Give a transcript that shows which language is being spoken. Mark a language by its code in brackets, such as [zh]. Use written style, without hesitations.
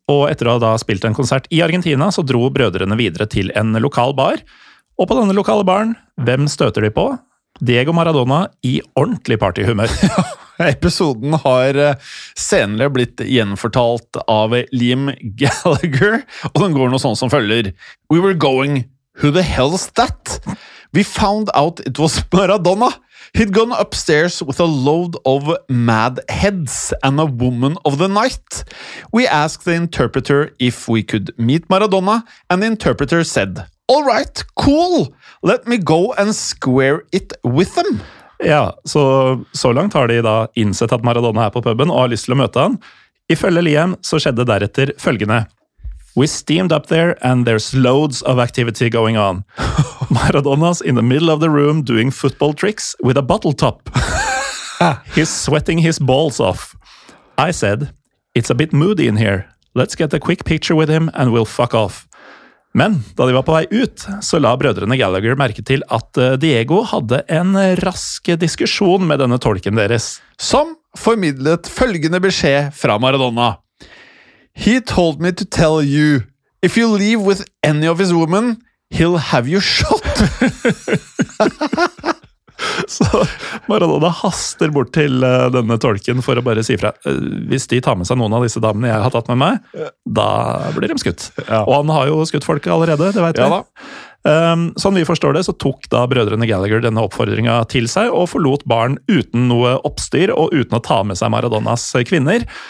[no] Og etter å ha da spilt en konsert i Argentina, så dro brødrene videre til en lokal bar. Og på denne lokale baren, hvem støter de på? Diego Maradona i ordentlig partyhumør. Episoden har senere blitt gjenfortalt av Liam Gallagher, og den går noe sånn som følger. [en] We were going, who the hell's that? We found out it was Maradona. He'd gone upstairs with a load of mad heads and a woman of the night. We asked the interpreter if we could meet Maradona, and the interpreter said, all right, cool, let me go and square it with them. [no] Ja, så langt har de da innsett at Maradona på puben og har lyst til å møte han. Ifølge Liam så skjedde deretter følgende. [en] We steamed up there and there's loads of activity going on. Maradona's in the middle of the room doing football tricks with a bottle top. He's sweating his balls off. I said, it's a bit moody in here. Let's get a quick picture with him and we'll fuck off. [no] Men da de var på vei ut, så la brødrene Gallagher merke til at Diego hadde en rask diskusjon med denne tolken deres. Som formidlet følgende beskjed fra Maradona. [en] He told me to tell you, if you leave with any of his women, he'll have you shot. [no] Så Maradona haster bort til denne tolken for å bare si fra hvis de tar med seg noen av disse damene jeg har tatt med meg, da blir de skutt. Ja. Og han har jo skutt folk allerede, det vet ja, vi. Sånn vi forstår det, så tok da brødrene Gallagher denne oppfordringen til seg og forlot barn uten noe oppstyr og uten å ta med seg Maradonas kvinner.